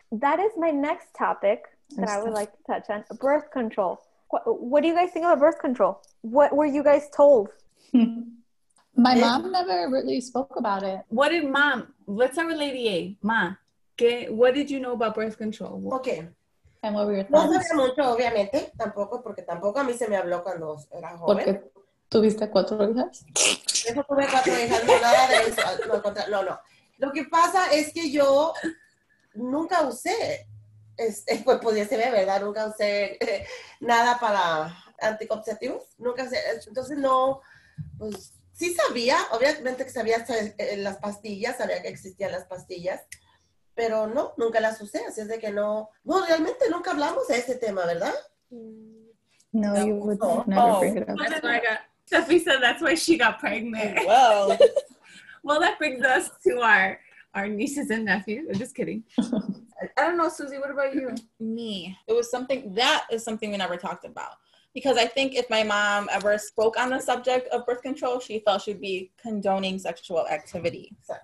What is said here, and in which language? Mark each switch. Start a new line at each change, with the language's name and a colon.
English: That is my next topic that I would like to touch on. Birth control. What do you guys think about birth control? What were you guys told? My mom never really spoke about it. Let's start with Lady A. Ma, what did you know about birth control? Okay. And what were your thoughts?
Spanish: No sabía mucho, obviamente. Tampoco, porque tampoco a mí se me habló cuando era joven. ¿Porque tuviste cuatro hijas? Yo tuve cuatro hijas, no, nada de eso. No. Lo que pasa es que yo nunca usé, pues podía ser, ¿verdad? Nunca usé nada para anticonceptivos. Nunca usé. Entonces, no, pues... sí sabía, obviamente que sabía las pastillas, sabía que existían las pastillas, pero no, nunca las usé, así es de que no, no, realmente nunca hablamos de ese tema, ¿verdad?
English: No, no, you would never bring it up. That's why I got, Steffi said that's why she got pregnant. Well, well, that brings us to our nieces and nephews. I'm just kidding. I don't know, Susie, what about you? Me. It was something, that is something we never talked about. Because I think if my mom ever spoke on the subject of birth control, she felt she'd be condoning sexual activity.